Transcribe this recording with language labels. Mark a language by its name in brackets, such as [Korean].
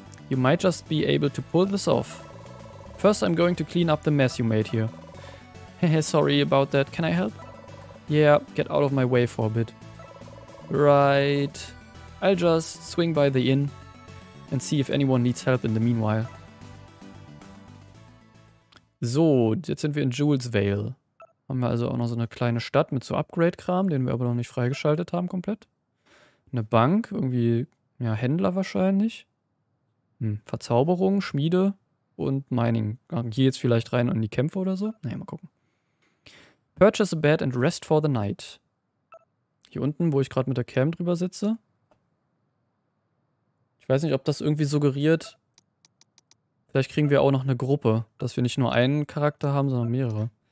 [English] You might just be able to pull this off. First I'm going to clean up the mess you made here. Hehe, sorry about that. Can I help? Yeah, get out of my way for a bit. Right. I'll just swing by the inn and see if anyone needs help in the meanwhile. [German] So, jetzt sind wir in Jewel's Vale. Haben wir also auch noch so eine kleine Stadt mit so Upgrade-Kram, den wir aber noch nicht freigeschaltet haben komplett. Eine Bank, irgendwie, Ja, Händler wahrscheinlich. Verzauberung, Schmiede und Mining. Geh jetzt vielleicht rein in die Kämpfe oder so? Naja, mal gucken. [English] Purchase a bed and rest for the night. [German] Hier unten, wo ich gerade mit der Cam drüber sitze. Ich weiß nicht, ob das irgendwie suggeriert. Vielleicht kriegen wir auch noch eine Gruppe, dass wir nicht nur einen Charakter haben, sondern mehrere.